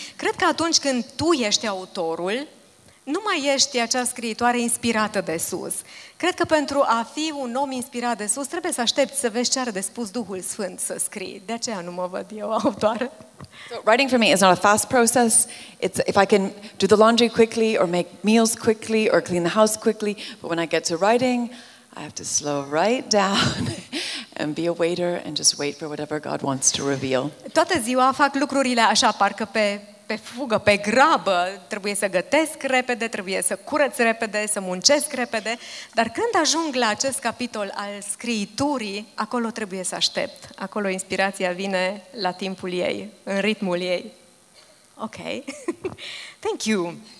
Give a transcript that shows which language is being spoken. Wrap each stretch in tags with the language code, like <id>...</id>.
<ro>Cred că atunci când tu ești autorul, nu mai ești acea scriitoare inspirată de sus. Cred că pentru a fi un om inspirat de sus, trebuie să aștepți să vezi ce are de spus Duhul Sfânt să scrii. De aceea nu mă văd eu autoare.</ro> <en>So, writing for me is not a fast process. It's if I can do the laundry quickly or make meals quickly or clean the house quickly, but when I get to writing, I have to slow right down and be a waiter and just wait for whatever God wants to reveal.</en> <ro>Toată ziua fac lucrurile așa, parcă pe fugă, pe grabă, trebuie să gătesc repede, trebuie să curăț repede, să muncesc repede, dar când ajung la acest capitol al scriiturii, acolo trebuie să aștept. Acolo inspirația vine la timpul ei, în ritmul ei. Ok.</ro> <en>Thank you.</en>